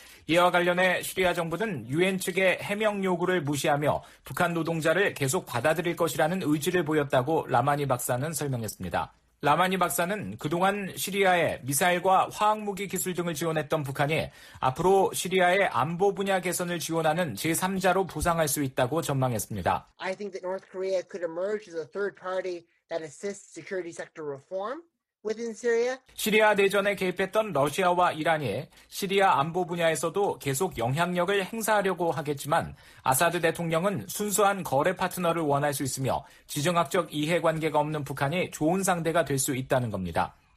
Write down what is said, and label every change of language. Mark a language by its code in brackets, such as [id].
[ko] 이와 관련해 시리아 정부는 유엔 측의 해명 요구를 무시하며 북한 노동자를 계속 받아들일 것이라는 의지를 보였다고 라마니 박사는 설명했습니다. 라마니 박사는 그동안 시리아에 미사일과 화학무기 기술 등을 지원했던 북한이 앞으로 시리아의 안보 분야 개선을 지원하는 제3자로 부상할 수 있다고 전망했습니다. [en] I think that North Korea could emerge as a third party that assists security sector reform. within Syria. [ko] 시리아 내전에 개입했던 러시아와 이란이 시리아 안보 분야에서도 계속 영향력을 행사하려고 하겠지만 아사드 대통령은 순수한 거래 파트너를 원할 수 있으며 지정학적 이해관계가 없는 북한이 좋은 상대가 될 수 있다는 겁니다.